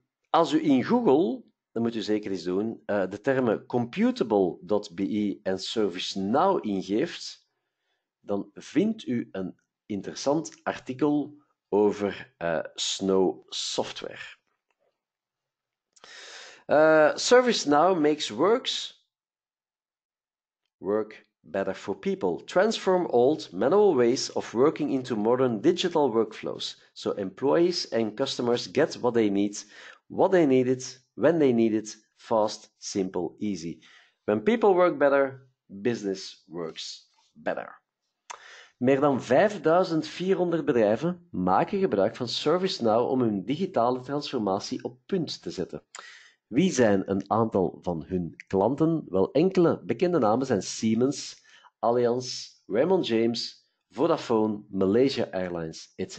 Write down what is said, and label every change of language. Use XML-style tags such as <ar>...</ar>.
<nl>Als u in Google, dan moet u zeker eens doen, de termen computable.be en ServiceNow ingeeft, dan vindt u een interessant artikel over Snow Software.</nl> <en>ServiceNow makes work better for people. Transform old manual ways of working into modern digital workflows so employees and customers get what they needed, when they need it, fast, simple, easy. When people work better, business works better.</en> <nl>Meer dan 5400 bedrijven maken gebruik van ServiceNow om hun digitale transformatie op punt te zetten. Wie zijn een aantal van hun klanten? Wel, enkele bekende namen zijn Siemens, Allianz, Raymond James, Vodafone, Malaysia Airlines, etc.</nl>